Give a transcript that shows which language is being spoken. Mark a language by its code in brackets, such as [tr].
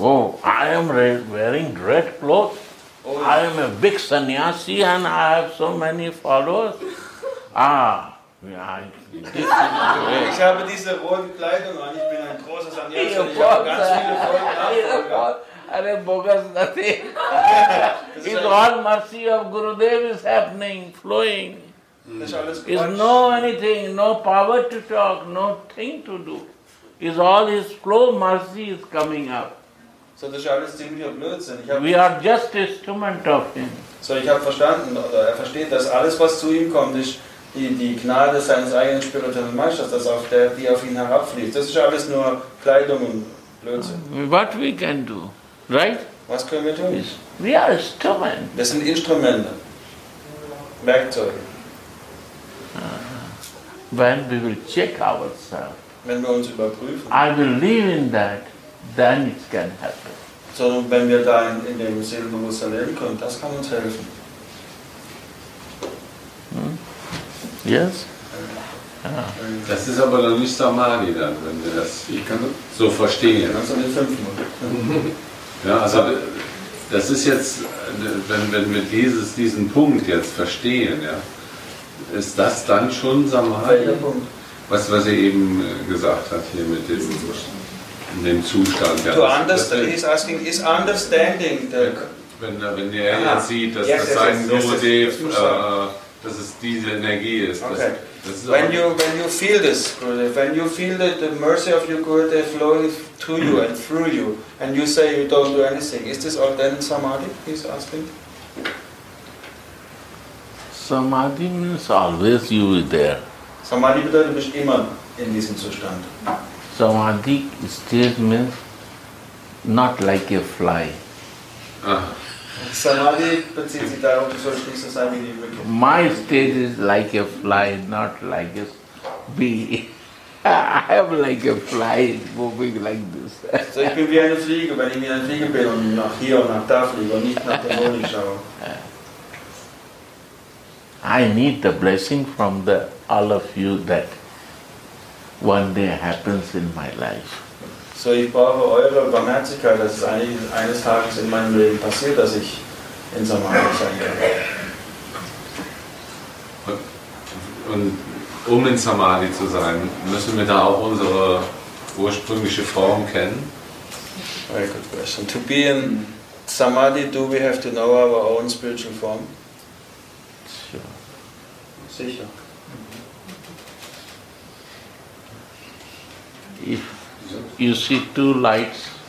[en] Oh, I am wearing red clothes. Oh, yeah. I am a big sannyasi and I have so many followers. Ah, yeah. [de] Ich habe diese rote Kleidung an, ich bin ein großer Sannyasi. Ich habe ganz viele Follower. Eine bogus Nati. [en] It's all mercy of Gurudev is happening, flowing. Is no anything, no power to talk, no thing to do. Is all his flow mercy is coming up. [de] So das ist alles ziemlich Blödsinn. [en] We are just instrument of him. [de] So ich habe verstanden, oder er versteht, dass alles was zu ihm kommt, ist die Gnade seines eigenen spirituellen Meisters, dass auf der, die auf ihn herabfließt. Das ist alles nur Kleidung und Blödsinn. [en] What we can do, right? [de] Was können wir tun? [en] We are instrument. [de] Wir sind Instrumente, Werkzeuge. [en] When we will check ourselves, [de] wenn wir uns überprüfen, [en] I believe in that, then it can happen. [de] So, wenn wir da in dem Seelenbewusstsein leben können, das kann uns helfen. [en] Yes? [de] Das ist aber dann nicht Samadhi, dann, wenn wir das, ich kann das so verstehen. Kannst du nicht fünf machen. Ja, also das ist jetzt, wenn wir diesen Punkt jetzt verstehen, ja. Ist das dann schon Samadhi, was er eben gesagt hat hier mit dem Zustand? [en] Ja, is understanding the... [de] Wenn er jetzt sieht, dass das sein Gurudev, dass es diese Energie ist. [en] Okay. [de] Das ist [en] when you feel this, Gurudev, when you feel that the mercy of your Gurudev flowing to you and through you, and you say you don't do anything, is this all then Samadhi, he's asking? Samadhi means always you are there. [de] Samadhi bedeutet, du bist immer in diesem Zustand. [en] Samadhi state means not like a fly. [de] Samadhi bezieht sich darauf, du sollst nicht so sein wie die Mücke. [en] My state is like a fly, not like a bee. I am like a fly moving like this. [de] So ich bin wie eine Fliege, wenn ich wie eine Fliege bin und nach hier und nach da fliege und nicht nach der Wohnung schaue. [en] I need the blessing from the all of you that one day happens in my life. [de] So ich brauche eure Barmherzigkeit, dass es eines Tages in meinem Leben passiert, dass ich in Samadhi sein kann. Und um in Samadhi zu sein, müssen wir da auch unsere ursprüngliche Form kennen? [en] Very good question. To be in Samadhi, do we have to know our own spiritual form? [de] Sicher. [en] If you see two lights,